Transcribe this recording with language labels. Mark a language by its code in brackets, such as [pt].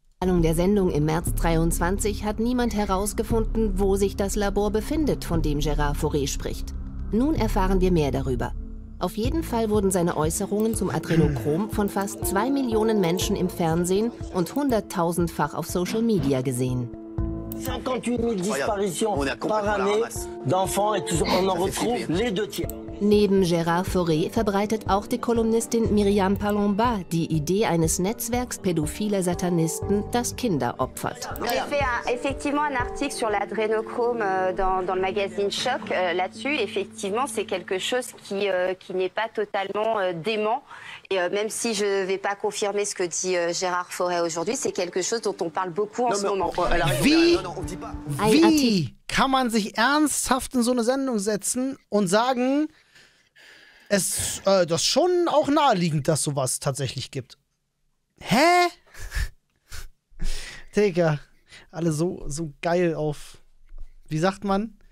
[de] Der Sendung im März 23 hat niemand herausgefunden, wo sich das Labor befindet, von dem Gérard Fauré spricht. Nun erfahren wir mehr darüber. Auf jeden Fall wurden seine Äußerungen zum Adrenochrom von fast 2 Millionen Menschen im Fernsehen und 100.000-fach auf Social Media gesehen. [fr] 58.000 Disparitions par année d'enfants et on en retrouve les deux tiers. [de] Neben Gérard Fauré verbreitet auch die Kolumnistin Myriam Palomba die Idee eines Netzwerks pädophiler Satanisten, das Kinder opfert. [fr] J'ai fait effectivement un article sur l'adrénochrome dans le magazine Choc là-dessus. Effectivement, c'est quelque chose qui n'est pas totalement dément. Et même si je ne vais pas confirmer ce que dit Gérard Fauré aujourd'hui, c'est quelque chose dont on parle beaucoup en ce moment. [de] Wie kann man sich ernsthaft in so eine Sendung setzen und sagen, es das ist schon auch naheliegend, dass sowas tatsächlich gibt? Hä? Digga, alle so geil auf. Wie sagt man?